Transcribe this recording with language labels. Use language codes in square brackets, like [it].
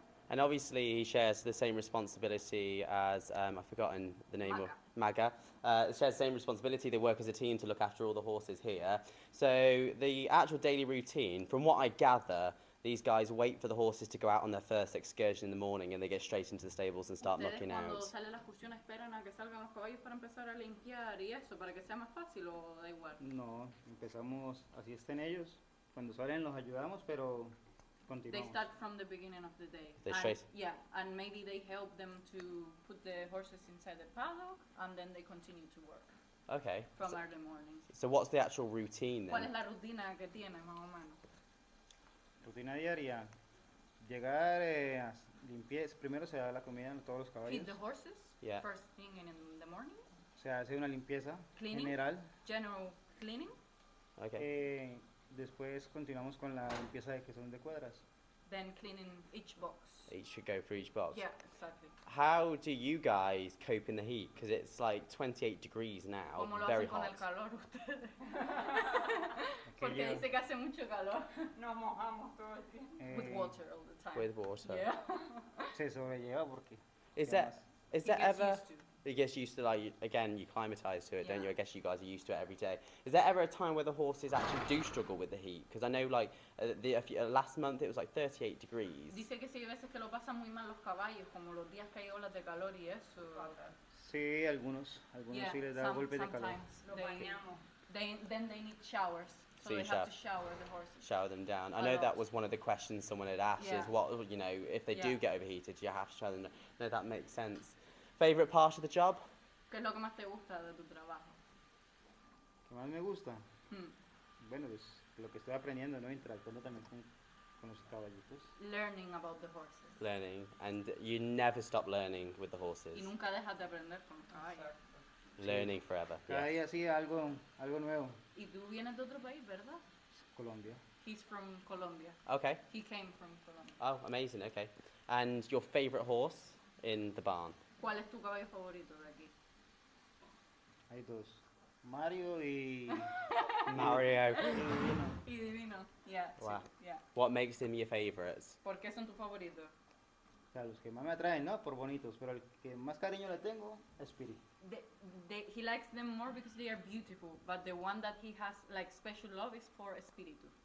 [en] And obviously he shares the same responsibility as, I've forgotten the name Maga. Of Maga. Shares the same responsibility, they work as a team to look after all the horses here. So the actual daily routine, from what I gather, these guys wait for the horses to go out on their first excursion in the morning and they get straight into the stables and start mucking out. [es] ¿Ustedes cuando sale la excursión esperan a que salgan los caballos para empezar a limpiar y eso, para que sea más fácil o da igual? No, empezamos, así estén ellos. Cuando salen los ayudamos, pero... [en] They start from the beginning of the day. They straight. Yeah, and maybe they help them to put the horses inside the paddock, and then they continue to work. Okay. From early morning. So what's the actual routine then? [es] ¿Cuál es la rutina que tiene, más o menos? Rutina diaria. Llegar, limpiar. Primero se da la comida a todos los caballos. [en] Feed the horses. Yeah. First thing in the morning. [es] Se hace una limpieza. [en] Cleaning. [es] General. [en] General cleaning. Okay. [es] Después continuamos con la limpieza de que son de cuadras. [en] Then cleaning each box. Each should go through each box. Yeah, exactly. How do you guys cope in the heat? Because it's like 28 degrees now, [es] ¿cómo lo [en] very [es] hacen [en] hot. [es] Con el calor ustedes? Porque dice que hace mucho calor. Nos mojamos todo el tiempo. [en] With water all the time. With water. Yeah. [es] Se sobrelleva porque. [en] Is that ever? He gets used to, like, again, you climatise to it, don't you? I guess you guys are used to it every day. Is there ever a time where the horses actually do struggle with the heat? Because I know, like, last month it was, like, 38 degrees. [es] Dice que sí, a veces que lo pasan muy mal los caballos, como los días que hay olas de calor y eso. Sí, algunos sí les da golpes de calor. [en] Sometimes. Then they need showers. So they have to shower the horses. Shower them down. I know that was one of the questions someone had asked, is what, you know, if they do get overheated, do you have to shower them down? No, that makes sense. Favorite part of the job? [es] ¿Qué es lo que más te gusta de tu trabajo? ¿Qué más me gusta? Bueno, pues lo que estoy aprendiendo, ¿no? Interactuando también con los caballitos. [en] Learning about the horses. Learning. And you never stop learning with the horses. [es] Y nunca dejas de aprender con los caballos. [en] Learning forever. [es] Cada día sí, algo nuevo. ¿Y tú vienes de otro país, verdad? Colombia. [en] He's from Colombia. Okay. He came from Colombia. Oh, amazing, okay. And your favorite horse in the barn? [es] ¿Cuál es tu caballo favorito de aquí? Hay dos. Mario y Mario. Y divino. Y divino. [en] Yeah. Wow. [es] Sí, yeah. [en] What makes them your favorites? [es] ¿Por qué son tu favorito? O sea, los que más me atraen, ¿no? Por bonitos, pero el que más cariño le tengo es Spirit. [en] He likes them more because they are beautiful, but the one that he has like special love is for Espíritu.